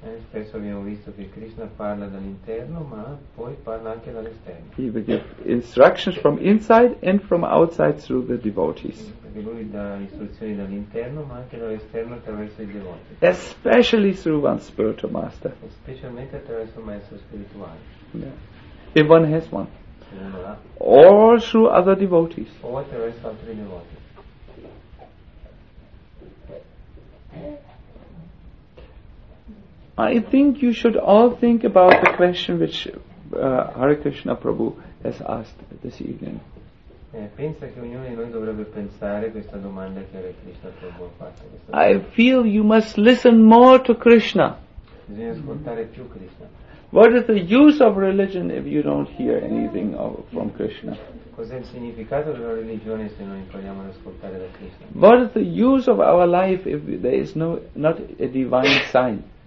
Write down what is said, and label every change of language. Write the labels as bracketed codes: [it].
[it] Spesso abbiamo visto che Krishna parla dall'interno, ma poi parla anche dall'esterno. [en] He will give instructions from inside and from outside through the devotees. [it] Perché lui dà istruzioni dall'interno, ma anche dall'esterno attraverso i devoti. [en] Especially through one spiritual master. [it] Specialmente attraverso un maestro spirituale. [en] Yeah. If one has one. Or through other devotees. [it] Or attraverso altri devoti. [en] I think you should all think about the question which Hare Krishna Prabhu has asked this evening. [it] Pensa che ognuno di noi dovrebbe pensare questa domanda che Hare Krishna Prabhu ha fatto. [en] I feel you must listen more to Krishna. [it] Bisogna ascoltare più Krishna. [en] What is the use of religion if you don't hear anything from Krishna? [it] Cos'è il significato della religione se non impariamo ad ascoltare da Krishna? [en] What is the use of our life if there is not a divine sign?